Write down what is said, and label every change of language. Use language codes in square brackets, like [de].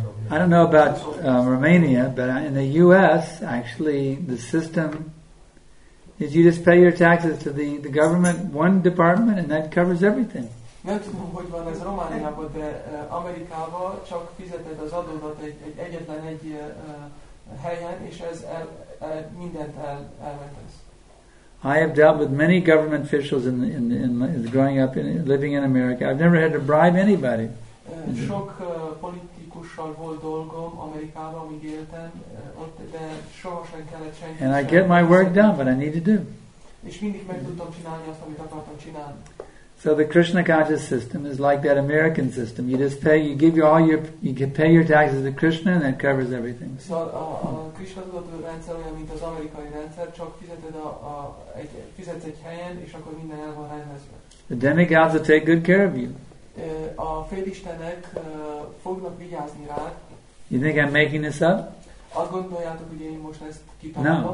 [en] I don't know about Romania, but in the U.S., actually, the system is you just pay your taxes to the government, one department, and that covers everything. [hu] Nem tudom, hogy van ez Romániában, de Amerikában csak fizeted az adódat egy egyetlen egy helyen, és ez mindent elvetesz. [en] I have dealt with many government officials in growing up in living in America. I've never had to bribe anybody. [hu] Sok politikussal volt dolgom Amerikában, amíg éltem, ott, de sohasem kellett senki. [en] And I get my work done, what I need to do. [hu] És mindig meg tudtam csinálni azt, amit akartam csinálni. [en] So the Krishna conscious system is like that American system. You just pay, you give you all your, you can pay your taxes to Krishna, and that covers everything. [hu] So a Krishna tudatú rendszer olyan, mint az amerikai rendszer, csak fizeted fizetsz egy helyen, és akkor minden el van rendezve. [en] The demigods will take good care of you. [hu] A félistenek fognak vigyázni rád. [en] You think I'm making this up? [hu] Azt gondoljátok, hogy én most ezt kitaláltam?